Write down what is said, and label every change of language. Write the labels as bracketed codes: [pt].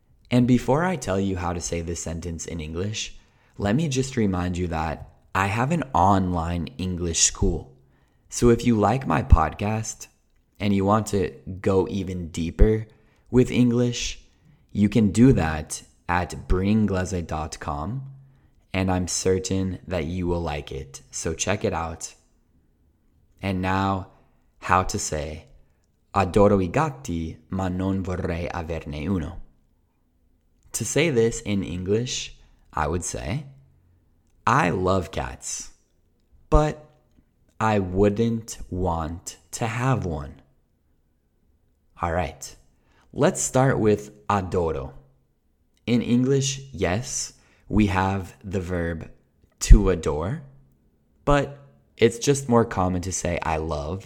[en] And before I tell you how to say this sentence in English, let me just remind you that I have an online English school. So if you like my podcast and you want to go even deeper with English, you can do that at bringinglese.com, and I'm certain that you will like it. So check it out. And now, how to say, [it] adoro I gatti, ma non vorrei averne uno. [en] To say this in English, I would say, I love cats, but I wouldn't want to have one. All right, let's start with adoro. In English, yes, we have the verb to adore, but it's just more common to say I love.